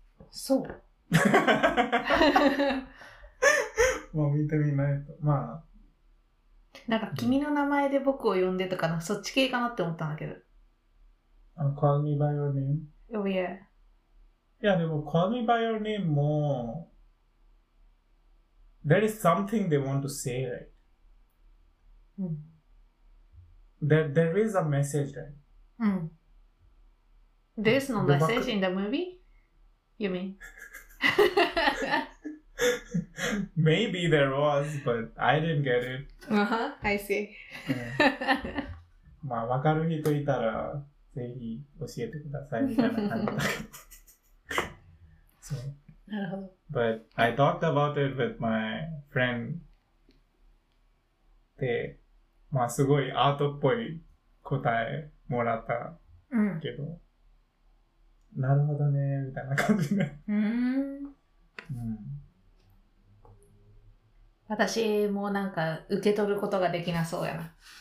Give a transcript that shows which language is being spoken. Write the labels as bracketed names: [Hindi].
[Japanese] そう。もう見てみないと。まあ。なんか、君の名前で僕を呼んでとかの、そっち系かなって思ったんだけど。 [English] Call me by your name? Oh, yeah. [Japanese] いや、でも、 [English] Call me by your name も、there is something they want to say, right? There is a message, right? There is no message in the movie? You mean? Maybe there was, but I didn't get it. I see. [Japanese] まあ、わかる人いたら、ぜひ教えてくださいみたいな感じだけど。そう。 [English] But I talked about it with my friend. [Japanese] で、まあすごいアートっぽい答えもらったけど、うん、なるほどねみたいな感じで。うん。私もなんか受け取ることができなそうやな。